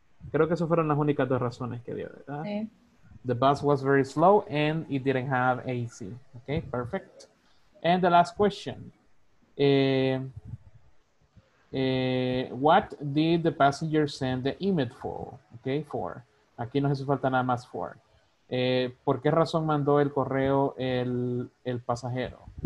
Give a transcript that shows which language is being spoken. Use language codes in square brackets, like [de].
[es] Creo que esas fueron las únicas dos razones que dio, ¿verdad? Sí. [en] The bus was very slow and it didn't have AC. Okay, perfect. And the last question. What did the passenger send the email for? [es] Okay, for. Aquí no hace falta nada más for. ¿Por qué razón mandó el correo el pasajero?